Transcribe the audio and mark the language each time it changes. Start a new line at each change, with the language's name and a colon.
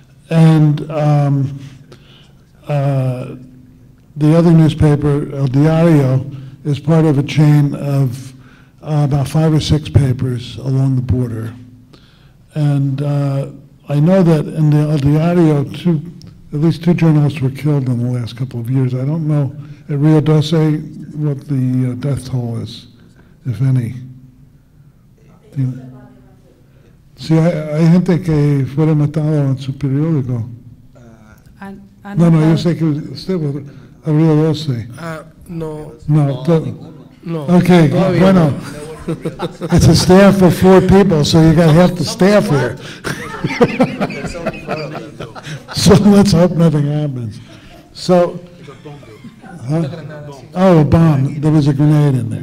English: And the other newspaper, El Diario, is part of a chain of about five or six papers along the border. And I know that in the El Diario, at least two journalists were killed in the last couple of years. I don't know at Riodoce what the death toll is, if any.
Spanish: Sí, hay gente que fueron matados en su periódico. No, no, yo sé que usted fue a Riodoce. No. Okay, bueno.
English: It's a staff of four people, so you got half the staff here. So let's hope nothing happens. So, huh? Oh, a bomb. There was a grenade in there.